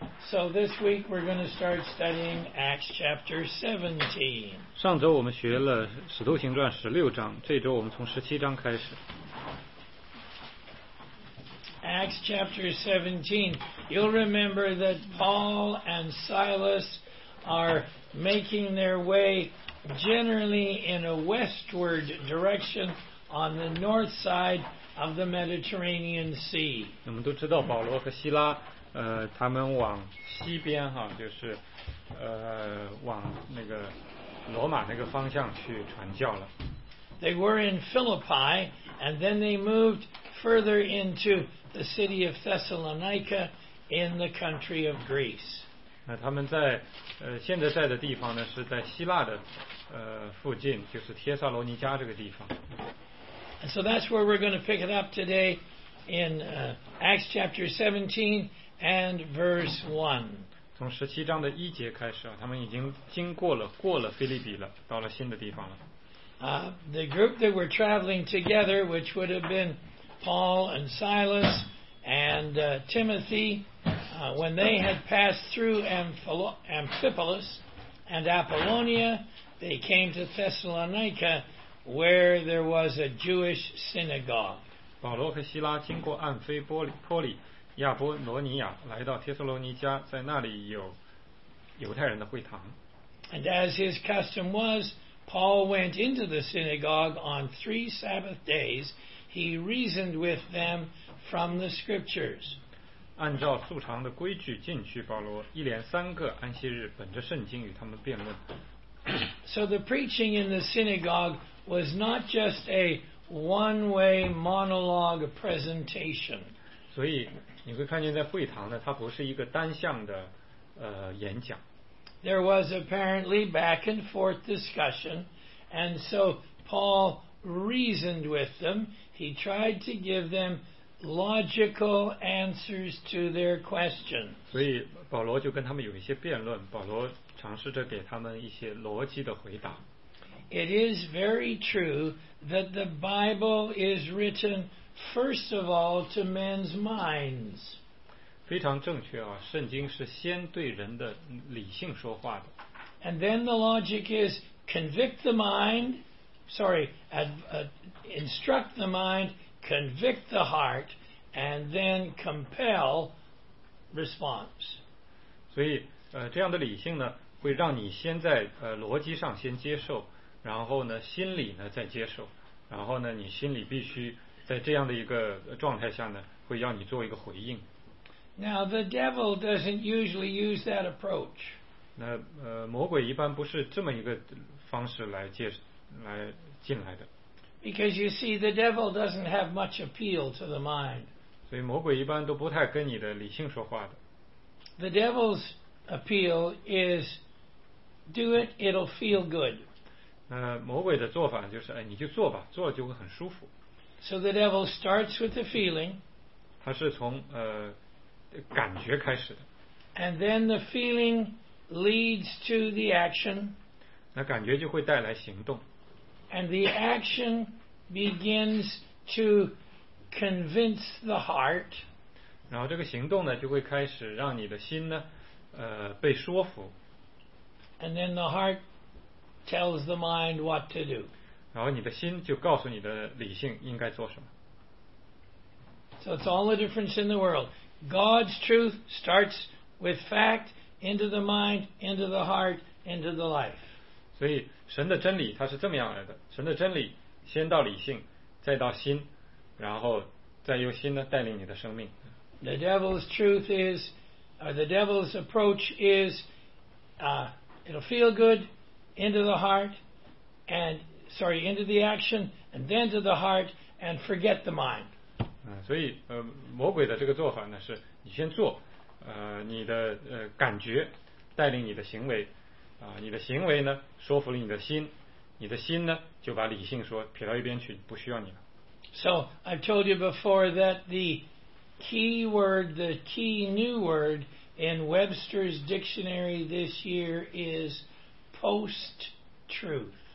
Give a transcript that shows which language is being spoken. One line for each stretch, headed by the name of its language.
English: So this week we're going to start studying Acts chapter 17.
Chinese: 上周我们学了《使徒行传》十六章，这周我们从十七章开始。
English: Acts chapter 17. You'll remember that Paul and Silas are making their way generally in a westward direction on the north side of the Mediterranean Sea.
Chinese: 我们都知道保罗和希拉他们往西边哈，就是往那个罗马那个方向去传教了。
English: They were in Philippi, and then they moved further into the city of Thessalonica in the country of Greece.
Chinese: 他们在现在在的地方呢，是在希腊的附近，就是帖撒罗尼迦这个地方。
English: And so that's where we're going to pick it up today in Acts chapter 17. And verse 1.
Chinese: 从十七章的一节开始，他们已经经过了，过了腓立比了，到了新的地方了。
English: The group that were traveling together, which would have been Paul and Silas and Timothy, when they had passed through Amphipolis and Apollonia, they came to Thessalonica, where there was a Jewish synagogue.
Chinese: 保罗和希拉经过安菲波利亚波罗尼亚，来到帖撒罗尼迦，在那里有犹太人的会堂。
English: And as his custom was, Paul went into the synagogue on three Sabbath days. He reasoned with them from the scriptures.
Chinese: 按照素常的规矩进去，保罗一连三个安息日，本着圣经与他们辩论。
English: So the preaching in the synagogue was not just a one-way monologue presentation.
Chinese: 所以你会看见在会堂呢，它不是一个单向的演讲。
English: There was apparently back and forth discussion, and so Paul reasoned with them. He tried to give them logical answers to their questions.
Chinese: 所以保罗就跟他们有一些辩论，保罗尝试着给他们一些逻辑的回答。
English: It is very true that the Bible is written first of all to men's minds.
Chinese: 非常正确啊，圣经是先对人的理性说话的。
English: And then the logic is convict the mind, instruct the mind, convict the heart, and then compel response.
Chinese: 所以这样的理性呢会让你先在逻辑上先接受，然后呢心理呢再接受，然后呢你心里必须在这样的一个状态下呢会要你做一个回应。
English: Now the devil doesn't usually use that approach.
Chinese: 那魔鬼一般不是这么一个方式来接来进来的。
English: Because you see, the devil doesn't have much appeal to the mind.
Chinese: 所以魔鬼一般都不太跟你的理性说话的。
English: The devil's appeal is, do it, it'll feel good.
Chinese: 那魔鬼的做法就是，哎，你就做吧，做了就会很舒服。
English: So the devil starts with the feeling.
Chinese: 他是从感觉开始的。
English: And then the feeling leads to the action.
Chinese: 那感觉就会带来行动。
English: And the action begins to convince the heart.
Chinese: 然后这个行动呢，就会开始让你的心呢，被说服。
English: And then the heart tells the mind what to do.
Chinese: 然后你的心就告诉你的理性应该做什么。
English: So it's all the difference in the world. God's truth starts with fact into the mind, into the heart, into the life.
Chinese: 所以神的真理它是这么样来的，神的真理先到理性，再到心，然后再由心呢带领你的生命。
English: The devil's truth is, or the devil's approach is, it'll feel good into the heart, and sorry, into the action, and then to the heart, and forget the mind.
Chinese: 所以魔鬼的这个做法呢是你先做你的感觉带领你的行为你的行为呢说服了你的心，你的心呢就把理性说撇到一边去，不需要你了。
English: So I've told you before that the key word, the key new word in Webster's dictionary this year is post-truth.